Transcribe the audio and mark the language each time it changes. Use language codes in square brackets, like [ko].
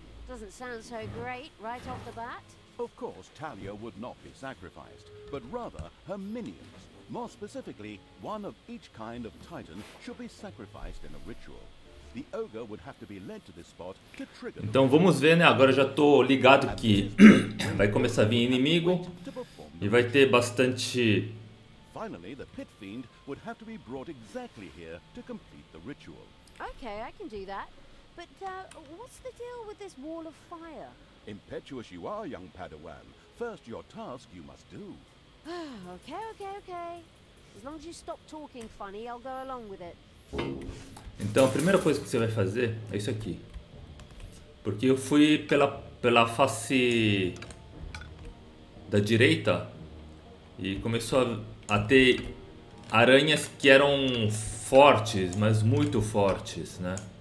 [en] Doesn't sound so great right off the bat. Of course, Talia would not be sacrificed, but rather her minions. More specifically, one of each kind of Titan should be sacrificed in a ritual. The ogre would have to be led to this spot to trigger. [pt] Então vamos ver, né? Agora já tô ligado que vai começar a vir inimigo e vai ter bastante. [en] Finally, the pit fiend would have to be brought exactly here to complete the ritual. Okay, I can do that. But what's the deal with this wall of fire? Impetuous you are, young Padawan. First your task you must do. Okay. As long as you stop talking funny, I'll go along with it. [pt] Então, a primeira coisa que você vai fazer é isso aqui. Porque eu fui pela face da direita e começou a ter aranhas que eram fortes, mas muito fortes, né?